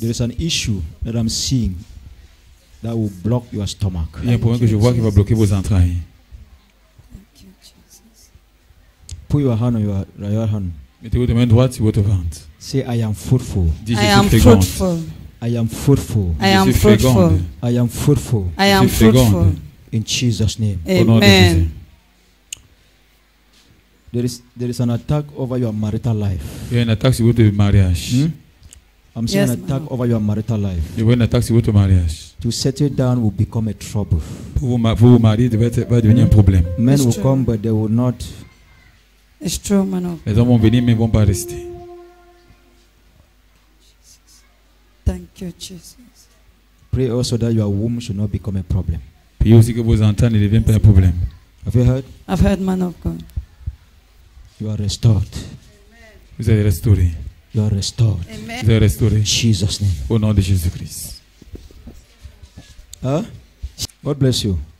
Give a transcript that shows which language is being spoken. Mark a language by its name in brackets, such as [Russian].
[English] There is an issue that I'm seeing that will block your stomach. [French] Il y a un problème que je vois qui va bloquer vos entrailles. [English] Thank you, Jesus. Put your hand on your right hand. [French] Mettez votre main droite sur votre ventre. [English] Say, I am fruitful. I am fruitful. I am fruitful. I am fruitful. I am fruitful. I am fruitful. In Jesus' name. Amen. There is an attack over your marital life. [French] Il y a une attaque sur votre mariage. [English] I'm seeing an attack over your marital life. [French] Il y a une attaque sur votre mariage. [English] To settle down will become a trouble. [French] Pour vous marier, va devenir un problème. [English] Men will come, but they will not. It's true, man. [French] Les hommes vont venir, mais vont pas rester. [English] Thank you, Jesus. Pray also that your womb should not become a problem. [French] Priez aussi que vos entrailles ne deviennent pas un problème. [English] Have you heard? I've heard, man of God. You are restored. [French] Amen. Vous êtes restauré. [English] You are restored. Amen. [French] Vous êtes restauré. [English] Jesus name. [French] Au nom de Jésus-Christ. [English] Huh? God bless you.